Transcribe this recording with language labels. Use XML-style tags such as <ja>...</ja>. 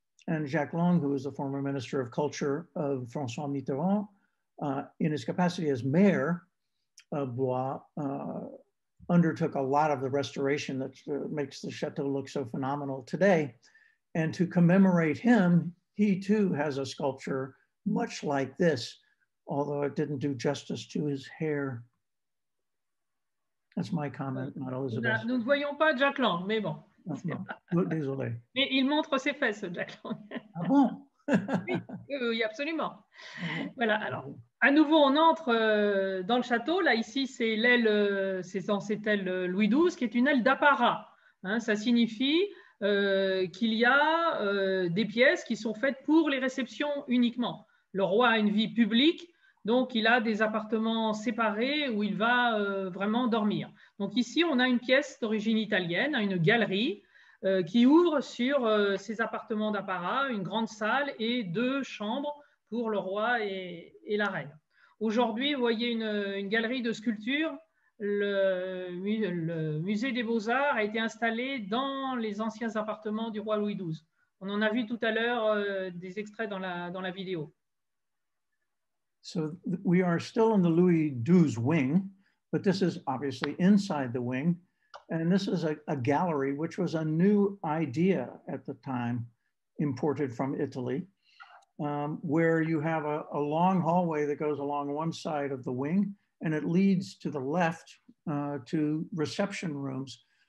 <en>And Jacques Lang, who was the former minister of culture of François Mitterrand, in his capacity as mayor of Blois, undertook a lot of the restoration that makes the chateau look so phenomenal today. And to commemorate him, he too has a sculpture much like this, although it didn't do justice to his hair. That's my comment, not Elizabeth's.</en> <fr>Nous ne voyons pas Jack Lang, mais bon. Non, Mais non, désolé. il montre ses fesses, Jack Lang. Bon? Oui, absolument. Bon. Voilà, alors, à nouveau, on entre dans le château. Là, ici, c'est l'aile, c'est censé être l'aile Louis XII, qui est une aile d'apparat. Hein, ça signifie qu'il y a des pièces qui sont faites pour les réceptions uniquement. Le roi a une vie publique. Donc, il a des appartements séparés où il va vraiment dormir. Donc, ici, on a une pièce d'origine italienne, une galerie qui ouvre sur ses appartements d'apparat, une grande salle et deux chambres pour le roi et la reine. Aujourd'hui, vous voyez une galerie de sculptures. Le musée des Beaux-Arts a été installé dans les anciens appartements du roi Louis XII. On en a vu tout à l'heure des extraits dans la vidéo.</fr> <en>So we are still in the Louis XII wing, but this is obviously inside the wing. And this is a gallery, which was a new idea at the time, imported from Italy, where you have a long hallway that goes along one side of the wing, and it leads to the left to reception rooms.</en>